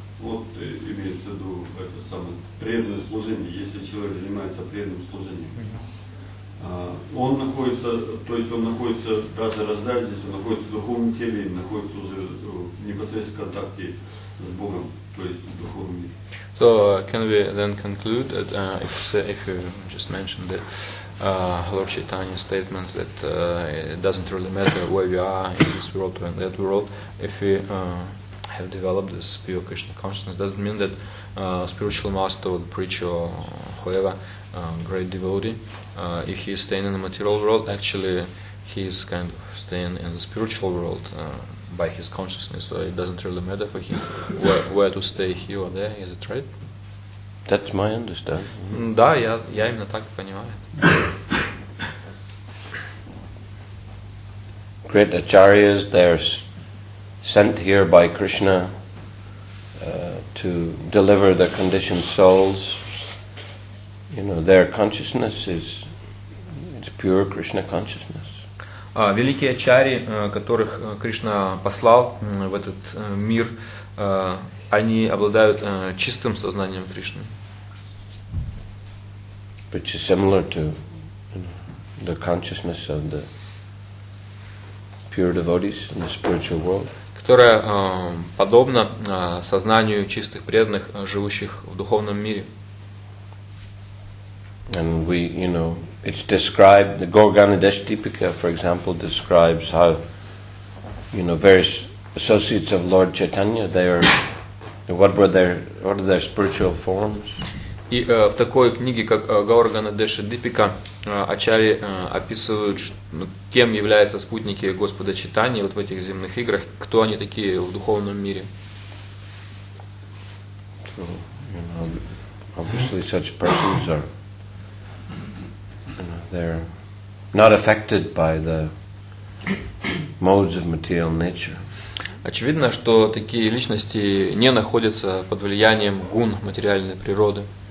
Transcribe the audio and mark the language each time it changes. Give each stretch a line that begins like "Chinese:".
Russian: Вот имеется в виду это самое преданное служение, если человек занимается преданным служением. Он находится, то есть он находится даже раздать здесь, он находится в духовном теле, находится уже в непосредственном контакте с Богом, то есть в духовном мире.
English: So can we then conclude that if you just mentioned that Lord Chaitanya's statements that it doesn't really matter where you are in this world or in that world, if we have developed this pure Krishna consciousness, doesn't mean that spiritual master or the preacher or whoever, great devotee, if he is staying in the material world, actually he is kind of staying in the spiritual world by his consciousness. So it doesn't really matter for him where to stay, here or there, is it right? That's my understanding. Mm-hmm.
Russian: Да, я именно так понимаю.
English: Great acharyas, there's sent here by Krishna to deliver the conditioned souls, you know, their consciousness is, it's pure Krishna consciousness.
Russian: Великие ачарьи, которых Кришна послал в этот мир, они обладают чистым сознанием Кришны.
English: Which is similar to, you know, the consciousness of the pure devotees in the spiritual world.
Russian: Которая подобна сознанию чистых преданных, живущих в духовном мире.
English: And we, you know, it's described, the Gauranga Deepika, for example, describes how, you know, various associates of Lord Chaitanya, they are, what are their spiritual forms?
Russian: И в такой книге, как Гаургана Деша Дипика, ачари описывают, кем являются спутники Господа Читания вот в этих земных играх, кто они такие в духовном мире.
English: So, you know, obviously such persons are, you know, they're not affected by the modes of material nature.
Russian: Очевидно, что такие личности не находятся под влиянием гун материальной природы.